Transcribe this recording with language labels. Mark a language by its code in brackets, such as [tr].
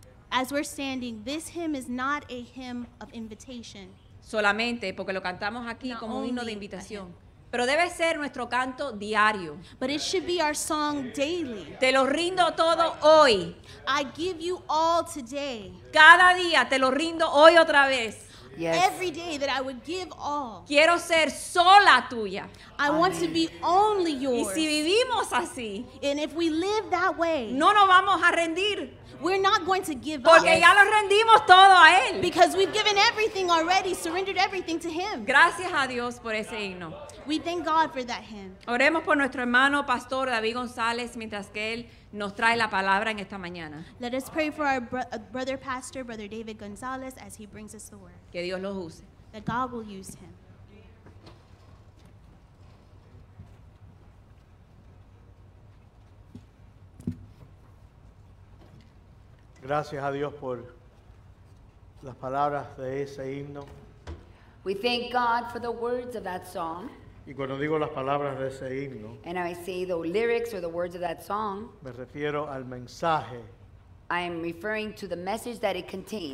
[en] As we're standing, this hymn is not a hymn of invitation. [es] Solamente porque lo cantamos aquí como un himno de invitación. Pero debe ser nuestro canto diario. [en] But it should be our song daily. [es] Te lo rindo todo hoy. [en] I give you all today. [es] Cada día te lo rindo hoy otra vez. [en] Yes. Every day that I would give all. [es] Quiero ser sola tuya. [en] I want to be only yours. [es] Y si vivimos así, [en] and if we live that way, [es] no nos vamos a rendir. [en] We're not going to give [es] porque [en] up. [es] Ya lo rendimos todo a él. [en] Because we've given everything already, surrendered everything to him. [es] Gracias a Dios por ese himno. [en] We thank God for that hymn. [es] Oremos por nuestro hermano Pastor David González mientras que él nos trae la palabra en esta mañana. [en] Let us pray for our brother pastor, Brother David González, as he brings us the word. [es] Que Dios los use. [en] That God will use him. [es] Gracias a Dios por las palabras de ese himno. [en] We thank God for the words of that song. [es] Y cuando digo las palabras de ese himno, [en] and I say the lyrics or the words of that song, [es] me refiero al mensaje. [en] I am referring to the message that it contains.